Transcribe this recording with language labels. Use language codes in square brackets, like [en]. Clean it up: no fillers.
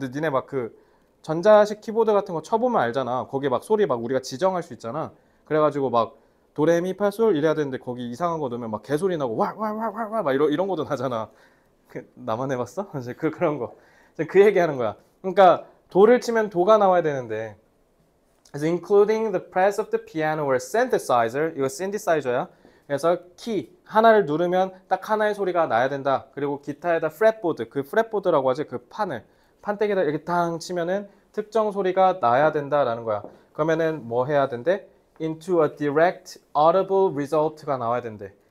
[ko] 근데 니네 막그 전자식 키보드 같은 거 쳐보면 알잖아. 거기 막 소리 막 우리가 지정할 수 있잖아. 그래가지고 막 도레미파솔 이래야 되는데 거기 이상한 거 넣으면 막 개소리 나고 왈왈왈왈왈 막 이런 것도 나잖아. 나만 해봤어? 그런 거. 그 얘기하는 거야. 그러니까 도를 치면 도가 나와야 되는데. [en] Including the press of the piano or synthesizer. [ko] 이거 synthesizer야. 그래서 키 하나를 누르면 딱 하나의 소리가 나야 된다. 그리고 기타에다 프렛보드, 그 프렛보드라고 하지, 그 판을 판때기에다 이렇게 탕 치면은 특정 소리가 나야 된다라는 거야. 그러면은 뭐 해야 된대? [en] Into a direct audible result [ko] 가 나와야 된대.